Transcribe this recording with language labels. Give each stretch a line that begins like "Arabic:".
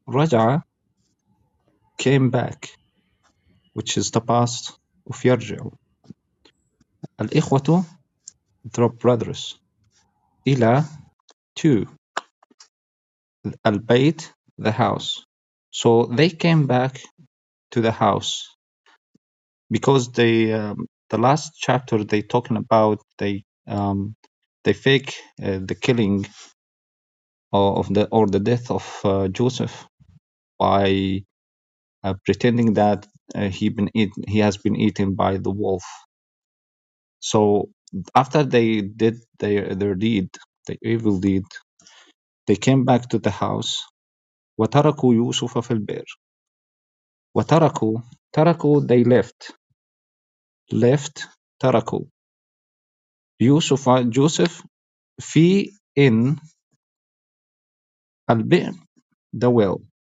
English: رجع came back, which is the past of يرجع. الإخوة drop brothers إلى to البيت the house. So they came back to the house because they the last chapter they talking about they fake the killing of the or the death of Joseph by pretending that he has been eaten by the wolf. So after they did their deed, the evil deed, they came back to the house.
Arabic: وتركوا يوسف في البئر. وتركوا تركوا
English: they left
Arabic: تركوا يوسف جوزيف في in البئر
English: the well.